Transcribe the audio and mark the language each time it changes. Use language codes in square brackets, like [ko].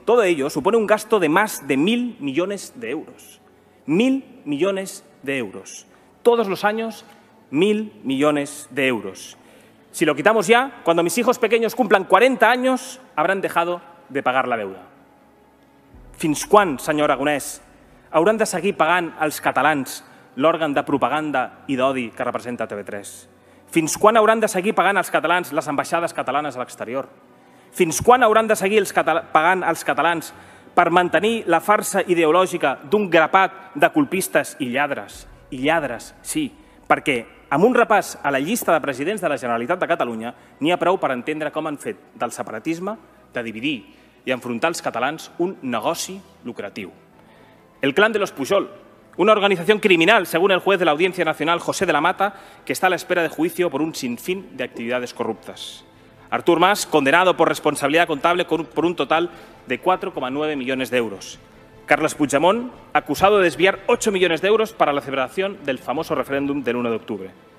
[es] Todo ello supone un gasto de más de 1.000 millones de euros. 1.000 millones de euros. Todos los años, 1.000 millones de euros. Si lo quitamos ya, cuando mis hijos pequeños cumplan 40 años, habrán dejado de pagar la deuda. [ca] ¿Fins quan, senyor Aragonès, hauran de seguir pagant els catalans l'òrgan de propaganda i d'odi que representa TV3? ¿Fins quan hauran de seguir pagant els catalans les ambaixades catalanes a l'exterior? ¿Fins quan hauran de seguir pagant els catalans per mantenir la farsa ideològica d'un grapat de colpistes i lladres? I lladres, sí, perquè amb un repàs a la llista de presidents de la Generalitat de Catalunya n'hi ha prou per entendre com han fet del separatisme, de dividir i enfrontar els catalans un negoci lucratiu. [es] El clan de los Pujol, una organización criminal, según el juez de la Audiencia Nacional, José de la Mata, que está a la espera de juicio por un sinfín de actividades corruptas. Artur Mas, condenado por responsabilidad contable por un total de 4,9 millones de euros. Carles Puigdemont, acusado de desviar 8 millones de euros para la celebración del famoso referéndum del 1 de octubre.